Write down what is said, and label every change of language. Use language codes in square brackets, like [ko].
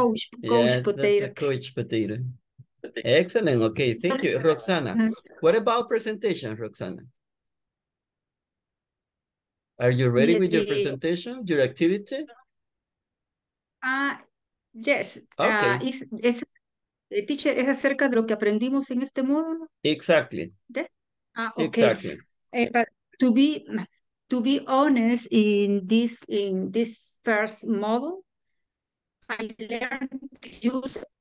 [en] Coach potato. Excellent. Okay, thank you, Roxana. What about presentation, Roxana? Are you ready with your presentation, your activity? Yes. Okay. [es] Teacher, ¿es acerca de lo que aprendimos en este módulo? [en] Exactly. Okay. Exactly. But to be honest, in this first module, I learned to use